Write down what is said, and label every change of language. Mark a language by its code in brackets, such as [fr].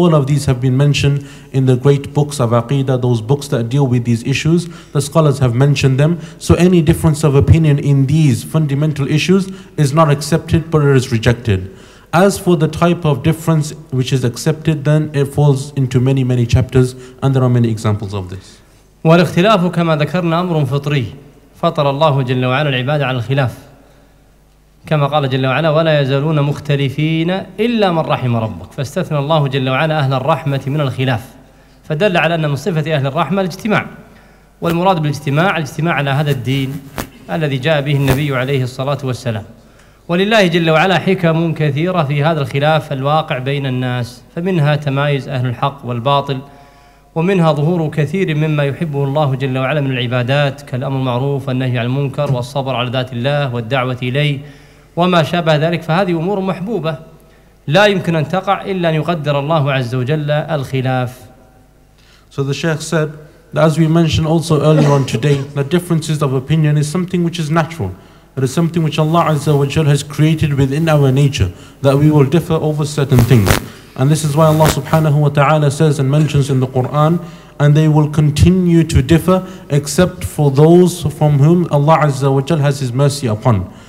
[en] All of these have been mentioned in the great books of Aqidah, those books that deal with these issues. The scholars have mentioned them. So any difference of opinion in these fundamental issues is not accepted, but it is rejected. As for the type of difference which is accepted, then it falls into many, many chapters, and there are many examples of this. [ar] والاختلاف كما ذكرنا أمر فطري فطر الله جل وعلا العباد على الخلاف كما قال جل وعلا ولا يزالون مختلفين إلا من رحم ربك فاستثنى الله جل وعلا أهل الرحمة من الخلاف فدل على أن من صفة أهل الرحمة الاجتماع والمراد بالاجتماع الاجتماع على هذا الدين الذي جاء به النبي عليه الصلاة والسلام ولله جل وعلا حكم كثيرة في هذا الخلاف الواقع بين الناس فمنها تمايز أهل الحق والباطل ومنها ظهور كثير مما يحبه الله جل وعلا من العبادات كالأمر المعروف والنهي عن المنكر والصبر على ذات الله والدعوة إليه وما شابه ذلك فهذه أمور محبوبة لا يمكن أن تقع إلا أن يقدر الله عز وجل الخلاف. [en] So the Sheikh said that as we mentioned also earlier on today that differences of opinion is something which is natural. It is something which Allah Azza wa Jal has created within our nature that we will differ over certain things. And this is why Allah subhanahu wa ta'ala says and mentions in the Qur'an, and they will continue to differ except for those from whom Allah Azza wa Jal has His mercy upon.